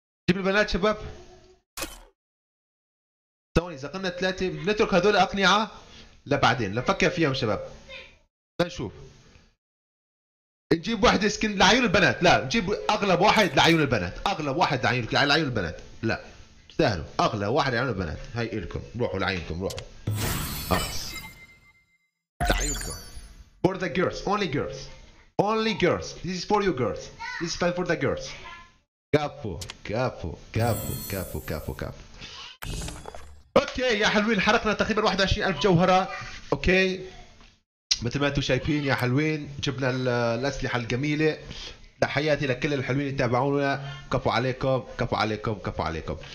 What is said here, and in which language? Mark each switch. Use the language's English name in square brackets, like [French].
[Arabic] نجيب البنات شباب، ثواني اذا قلنا ثلاثة بنترك هذول اقنعة لبعدين، لنفكر فيهم شباب، لنشوف. نجيب واحد سكن لعيون البنات، لا نجيب اغلب واحد لعيون البنات، اغلب واحد لعيون لعيون البنات، لا سهلوا اغلى واحد لعيون البنات. هاي الكم، روحوا لعيونكم، روحوا خلاص لعيونكم. [English] For the girls only, girls only, girls, this is for you girls, this is for the girls. [Arabic] كفو كفو كفو كفو كفو كفو. اوكي يا حلوين، حرقنا تقريبا 21000 جوهره، اوكي مثل ما انتم شايفين يا حلوين، جبنا الأسلحة الجميلة. تحياتي لكل الحلوين اللي تابعونا، كفو عليكم كفو عليكم كفو عليكم.